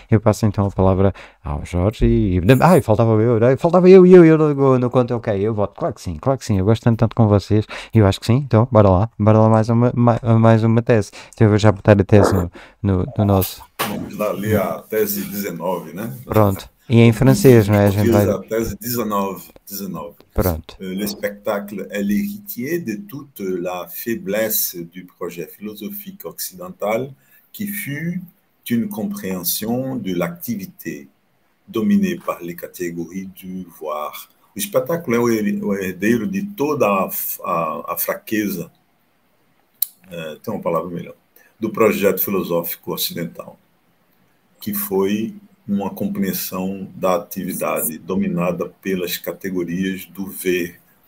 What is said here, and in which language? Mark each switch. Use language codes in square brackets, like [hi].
[pt] Eu passo então a palavra ao Jorge e faltava eu, não conto, ok, eu voto, claro que sim, eu gosto tanto com vocês, e eu acho que sim, então bora lá mais uma tese. Então eu vou já botar a tese no nosso... Vamos lá ali a tese 19, né? Pronto, e em francês, não é? A gente vai... A tese 19. Pronto. [fr] Le spectacle est l'héritier de toute la faiblesse du projet philosophique occidental qui fut une compréhension de l'activité dominée par les catégories du voir. [pt] O espetáculo é o herdeiro de toda a fraqueza, tem uma palavra melhor, do projeto filosófico ocidental, que foi uma compreensão da atividade dominada pelas categorias do ver.